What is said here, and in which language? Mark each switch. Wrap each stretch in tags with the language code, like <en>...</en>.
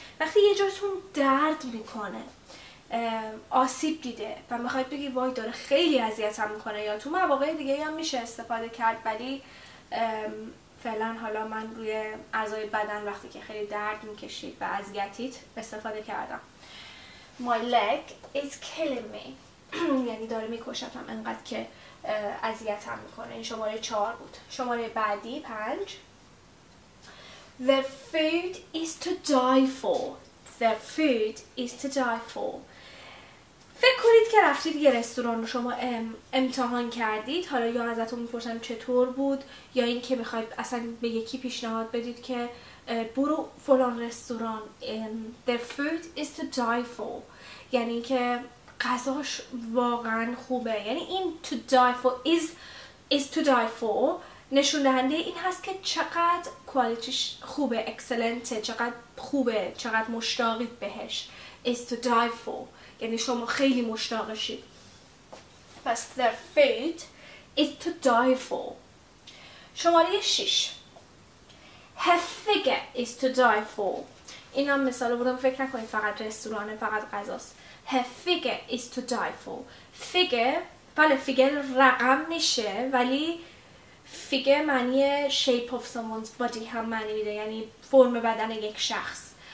<fa>وقتی یه جورتون درد میکنه، آسیب دیده و میخواید بگی وای داره خیلی اذیت هم میکنه، یا تو مواقع دیگه هم میشه استفاده کرد، ولی فعلا حالا من روی اعضای بدن وقتی که خیلی درد میکشید و اذیتید استفاده کردم.</fa> <en>My leg is killing me.</en> <fa>یعنی داره میکشتم انقدر که اذیت هم میکنه. این شماره 4 بود. شماره بعدی</fa> <en>5 The food is to die for. The food is to die for.</en> <fa>فکر کنید که رفتید یه رستوران رو شما امتحان کردید، حالا یا ازتون میپرسن چطور بود، یا اینکه میخواید اصلا به یکی پیشنهاد بدید که برو فلان رستوران.</fa> <en>The food is to die for.</en> <fa>یعنی که غذاش واقعا خوبه. یعنی این</fa> <en>to die for is to die for</en> <fa>نشون دهنده این هست که چقدر کوالیتیش خوبه، اکسلنته، چقدر خوبه، چقدر مشتاقید بهش.</fa> <en>Is to die for.</en> <fa>یعنی شما خیلی مشتاقشید.</fa> <en>پس their fate is to die for.</en> <fa>شماره 6</fa> <en>her figure is to die for.</en> <fa>این هم مثال رو بودم فکر نکنید فقط رستوران فقط غذاست.</fa> <en>Her figure is to die for.</en> <fa>Figure, بله figure رقم میشه ولی figure معنی</fa> <en>shape of someone's body</en> <fa>هم معنی میده یعنی فرم بدن یک شخص.</fa>